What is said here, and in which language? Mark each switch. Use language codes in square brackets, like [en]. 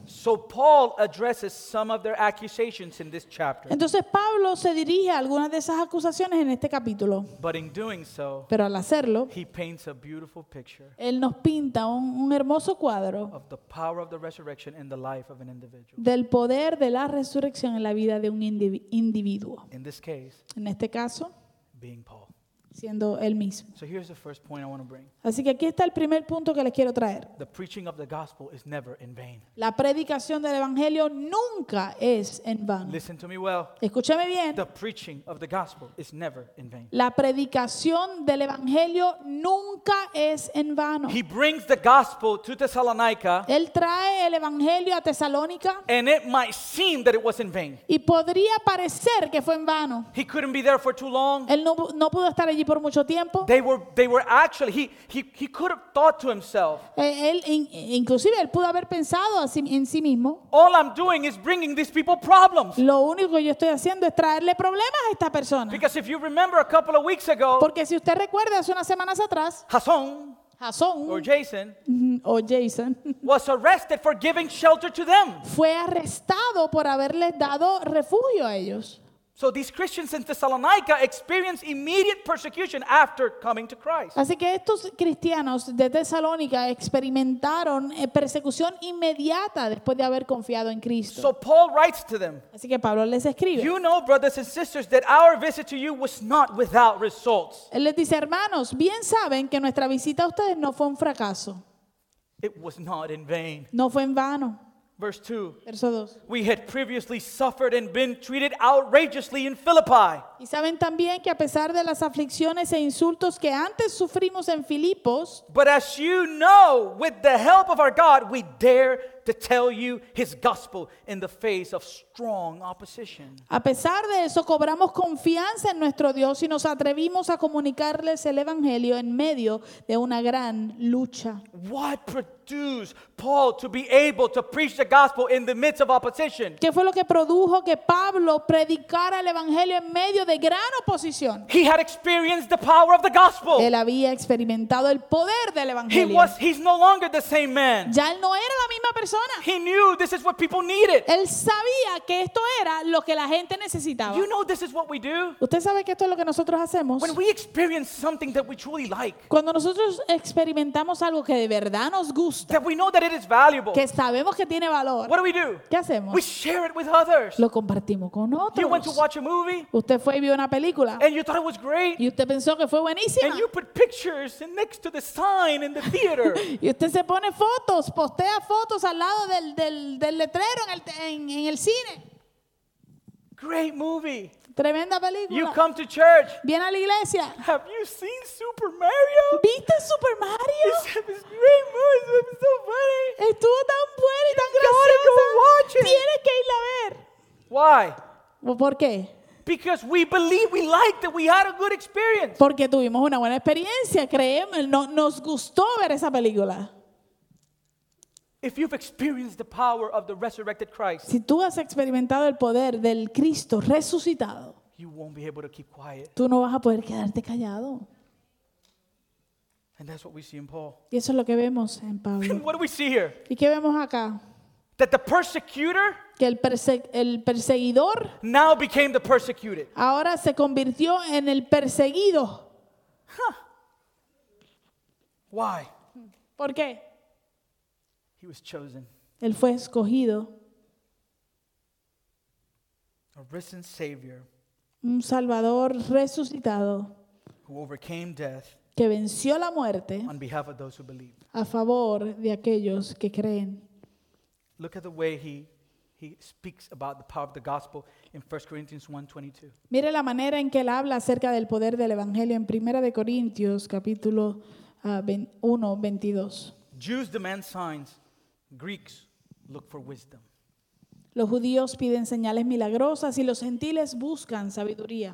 [en] So Paul addresses some of their accusations in this chapter. [es] Entonces Pablo se dirige a algunas de esas acusaciones en este capítulo. [en] But in doing so, [es] pero al hacerlo, [en] he paints a beautiful picture. [es] Él nos pinta un hermoso cuadro [en] of the power of the resurrection in the life of an individual. [es] Del poder de la resurrección en la vida de un individuo. [en] In this case, [es] en este caso, [en] being Paul. [es] Siendo él mismo. [en] So here's the first point I want to bring. [es] Así que aquí está el primer punto que les quiero traer. [en] The preaching of the gospel is never in vain. [es] La predicación del evangelio nunca es en vano. [en] Listen to me well. [es] Escúchame bien. [en] The preaching of the gospel is never in vain. [es] La predicación del evangelio nunca es en vano. [en] He brings the gospel to Thessalonica. [es] Él trae el evangelio a Tesalónica. [en] And it might seem that it was in vain. [es] Y podría parecer que fue en vano. [en] He couldn't be there for too long. [es] Él no pudo estar allí por mucho tiempo. [en] He could have thought to himself. [es] Inclusive él pudo haber pensado en sí mismo. [en] All I'm doing is bringing these people problems. [es] Lo único que yo estoy haciendo es traerle problemas a esta persona. [en] Because if you remember a couple of weeks ago. [es] Porque si usted recuerda hace unas semanas atrás. [en] Jason. Or Jason. Or Jason. Was arrested for giving shelter to them. [es] Fue arrestado por haberles dado refugio a ellos. [en] So these Christians in Thessalonica experienced immediate persecution after coming to Christ. [es] Así que estos cristianos de Tesalónica experimentaron persecución inmediata después de haber confiado en Cristo. [en] So Paul writes to them. [es] Así que Pablo les escribe. [en] You know, brothers and sisters, that our visit to you was not without results. [es] Él les dice, hermanos, bien saben que nuestra visita a ustedes no fue un fracaso. [en] It was not in vain. [es] No fue en vano. [en] Verse 2. [es] Verso 2. [en] We had previously suffered and been treated outrageously in Philippi. [es] Y saben también que a pesar de las aflicciones e insultos que antes sufrimos en Filipos, [en] but as you know, with the help of our God, we dare to tell you his gospel in the face of strong opposition. [es] A pesar de eso, cobramos confianza en nuestro Dios y nos atrevimos a comunicarles el evangelio en medio de una gran lucha. [en] What produced Paul to be able to preach the gospel in the midst of opposition? [es] ¿Qué fue lo que produjo que Pablo predicara el evangelio en medio de gran oposición? [en] He had experienced the power of the gospel. [es] Él había experimentado el poder del evangelio. [en] He's no longer the same man. [es] Ya él no era la misma persona. [en] He knew this is what people needed. [es] Él sabía que esto era lo que la gente necesitaba. [en] You know this is what we do. [es] Usted sabe que esto es lo que nosotros hacemos. [en] When we experience something that we truly like. [es] Cuando nosotros experimentamos algo que de verdad nos gusta. [en] That we know that it is valuable. [es] Que sabemos que tiene valor. [en] What do we do? [es] ¿Qué hacemos? [en] We share it with others. [es] Lo compartimos con otros. [en] You went to watch a movie. [es] Usted fue y vio una película. [en] And you thought it was great. [es] Y usted pensó que fue buenísima. [en] And you put pictures next to the sign in the theater. [es] Y usted se pone fotos, postea fotos al lado del letrero en el cine. [en] Great movie. [es] Tremenda película. [en] You come to church. [es] Viene a la iglesia. [en] Have you seen Super Mario? [es] ¿Viste Super Mario? [en] It's a great movie. It's been so funny. [es] Estuvo tan bueno y tan gracioso. [en] You gotta go watch it. [es] Tienes que ir a ver. [en] Why? [es] ¿Por qué? [en] Because we believe we liked it, we had a good experience. [es] Porque tuvimos una buena experiencia, creemos, nos gustó ver esa película. [en] If you've experienced the power of the resurrected Christ, [es] si tú has experimentado el poder del Cristo resucitado, [en] you won't be able to keep quiet. [es] Tú no vas a poder quedarte callado. [en] And that's what we see in Paul. [es] Y eso es lo que vemos en Pablo. [en] What do we see here? [es] ¿Y qué vemos acá? [en] That the persecutor, [es] que el perseguidor, [en] now became the persecuted. [es] Ahora se convirtió en el perseguido. [en] Huh. Why? [es] ¿Por qué? [en] He was chosen. [es] Él fue escogido. [en] A risen Savior. [es] Un Salvador resucitado. [en] Who overcame death. [es] Que venció la muerte. [en] On behalf of those who believe. [es] A favor de aquellos que creen. [en] Look at the way he speaks about the power of the gospel in 1 Corinthians 1:22. [es] Mire la manera en que él habla acerca del poder del evangelio en 1 de Corintios capítulo 1:22. [en] Jews demand signs. Greeks look for wisdom. [es] Los judíos piden señales milagrosas y los gentiles buscan sabiduría.